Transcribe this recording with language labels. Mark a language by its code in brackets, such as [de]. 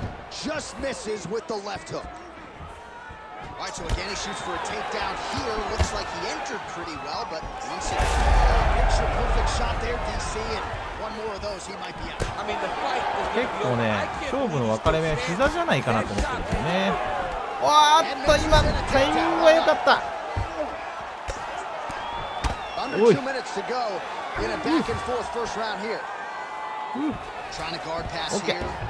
[en] Just misses with the left hook. Alright, so again he shoots for a takedown here. Looks like he entered pretty well, but once again, picture perfect shot there, DC, and one more of those, he might be out. I mean the fight was good. [ja] 結構ね、勝負の分かれ目は膝じゃないかなと思ってるんですよね。わーっと今タイミングが良かった。 [en] Under 2 minutes to go in a back and forth first round here. Trying to guard pass here.